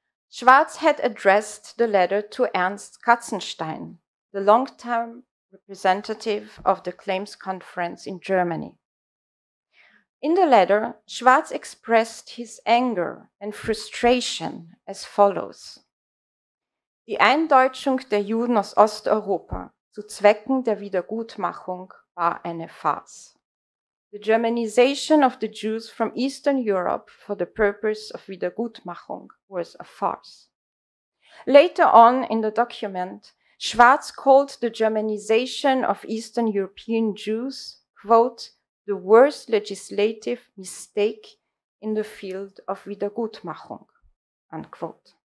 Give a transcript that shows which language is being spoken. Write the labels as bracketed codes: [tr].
[en] Schwarz had addressed the letter to Ernst Katzenstein, the long-term representative of the Claims Conference in Germany. In the letter, Schwarz expressed his anger and frustration as follows. [de] Die Eindeutschung der Juden aus Osteuropa zu Zwecken der Wiedergutmachung war eine Farce. [en] The Germanization of the Jews from Eastern Europe for the purpose of Wiedergutmachung was a farce. Later on in the document, Schwarz called the Germanization of Eastern European Jews, quote, the worst legislative mistake in the field of Wiedergutmachung, unquote.